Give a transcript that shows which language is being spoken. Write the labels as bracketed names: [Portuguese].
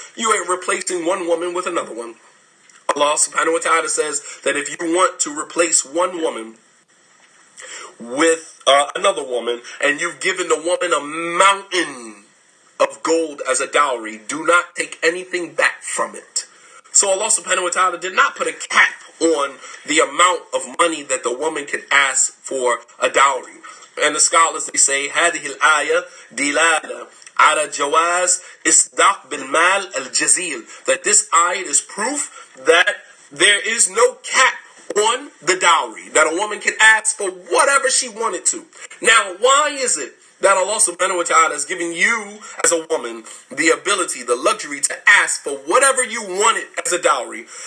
[English] You are replacing one woman with another one. Allah subhanahu wa ta'ala says that if you want to replace one woman with another woman, and you've given the woman a mountain of gold as a dowry, do not take anything back from it. So Allah subhanahu wa ta'ala did not put a cap on the amount of money that the woman could ask for a dowry. And the scholars, they say, [Arabic] هذه الآية دلالة على جواز إصداق بالمال الجزيل. [English] That this ayah is proof that there is no cap on the dowry, that a woman can ask for whatever she wanted to. Now, why is it that Allah subhanahu wa ta'ala has given you as a woman the ability, the luxury to ask for whatever you wanted as a dowry?